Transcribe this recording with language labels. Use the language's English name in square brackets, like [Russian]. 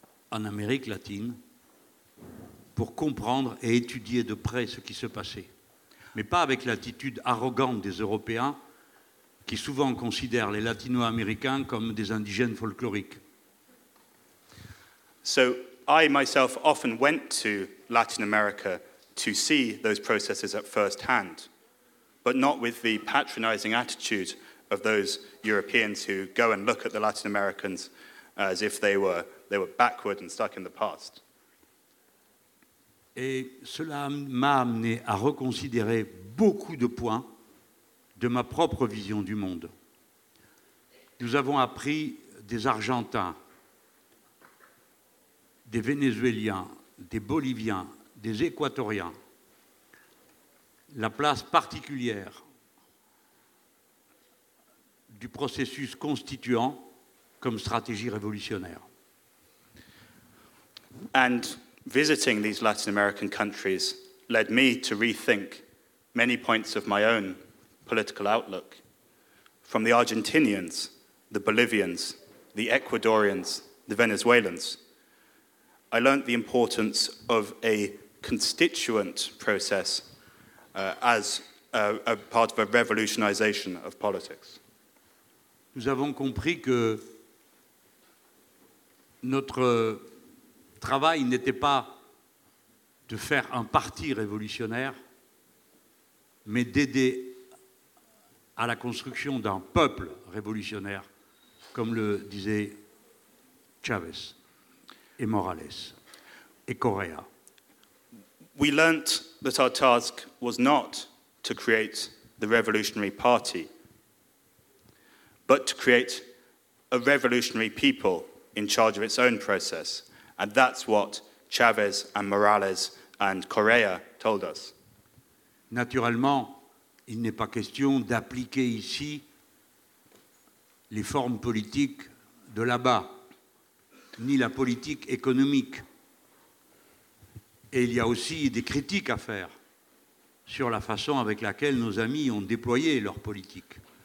[French] en Amérique latine pour comprendre et étudier de près ce qui se passait, mais pas avec l'attitude arrogante des Européens qui souvent considèrent les Latino-Américains comme des indigènes folkloriques. [English] So I myself often went to Latin America to see those processes at first hand, but not with the patronizing attitude of those Europeans who go and look at the Latin Americans as if they were backward and stuck in the past. [French] Et cela m'a amené à reconsidérer beaucoup de points de ma propre vision du monde. Nous avons appris des Argentins, des Vénézuéliens, des Boliviens, des Équatoriens, la place particulière du processus constituant comme stratégie révolutionnaire. [English] And visiting these Latin American countries led me to rethink many points of my own political outlook. From the Argentinians, the Bolivians, the Ecuadorians, the Venezuelans, I learned the importance of a constituent process as a part of a revolutionization of politics. [French] Nous avons compris que notre travail n'était pas de faire un parti révolutionnaire, mais d'aider à la construction d'un peuple révolutionnaire, comme le disaient Chavez et Morales et Correa. [English] We learnt that our task was not to create the revolutionary party, but to create a revolutionary people in charge of its own process. And that's what Chavez and Morales and Correa told us. [French] Naturellement, il n'est pas question d'appliquer ici les formes politiques de là-bas, ni la politique économique. Et il y a aussi des critiques à faire sur la façon avec laquelle nos amis ont déployé leur politique.